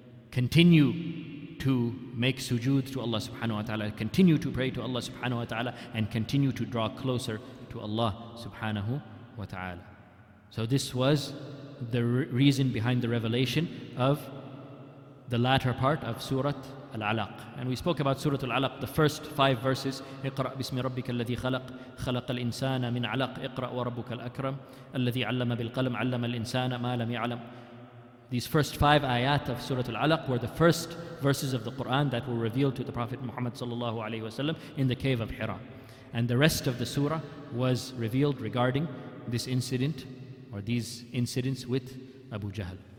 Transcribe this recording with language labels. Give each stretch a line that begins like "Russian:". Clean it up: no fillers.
English: Continue to make sujood to Allah subhanahu wa ta'ala, continue to pray to Allah subhanahu wa ta'ala, and continue to draw closer to Allah subhanahu wa ta'ala. So this was the reason behind the revelation of the latter part of Surah Al-Alaq. And we spoke about Surah Al-Alaq, the first five verses.
Arabic: اقرأ بسم ربك الذي خلق خلق الإنسان من علق اقرأ وربك الأكرم الذي علم بالقلم علم الإنسان ما لم يعلم.
English: These first five ayat of Surah Al-Alaq were the first verses of the Qur'an that were revealed to the Prophet Muhammad sallallahu alayhi wasallam in the cave of Hira. And the rest of the surah was revealed regarding this incident, or these incidents with Abu Jahl.